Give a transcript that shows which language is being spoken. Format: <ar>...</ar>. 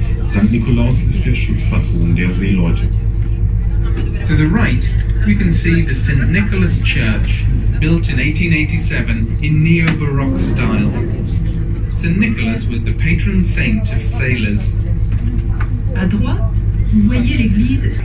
<de>Sankt Nikolaus ist der Schutzpatron der Seeleute.</de> <en>To the right, you can see the St. Nicholas Church, built in 1887 in neo-baroque style. St. Nicholas was the patron saint of sailors.</en> <fr>À droite, vous voyez l'église.</fr>